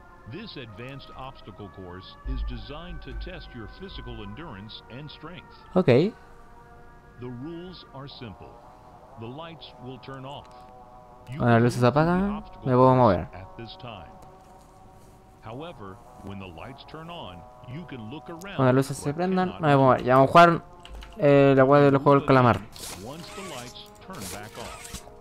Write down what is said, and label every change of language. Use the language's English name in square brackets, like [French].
[English] This advanced obstacle course is designed to test your physical endurance and strength. Okay. The rules are simple. The lights will turn off. [Spanish] Cuando la luz se apaga, me puedo mover. [English] At this time. However, when the lights turn on, you can look around. [Spanish] Cuando las luces se prendan, no me puedo mover. Ya vamos a jugar la web del juego del calamar. [English] Once the lights turn back off.